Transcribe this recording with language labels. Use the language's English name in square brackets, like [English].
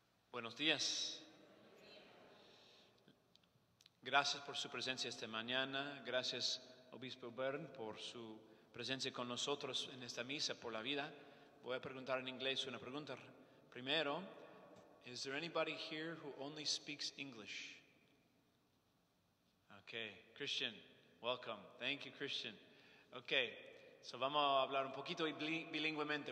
[Spanish] Buenos días. Gracias por su presencia esta mañana. Gracias, Obispo Byrne, por su presencia con nosotros en esta misa por la vida. Voy a preguntar en inglés una pregunta primero. [English] Is there anybody here who only speaks English? Okay, Christian, welcome. Thank you, Christian. Okay, so [Spanish] vamos a hablar un poquito bilingüemente.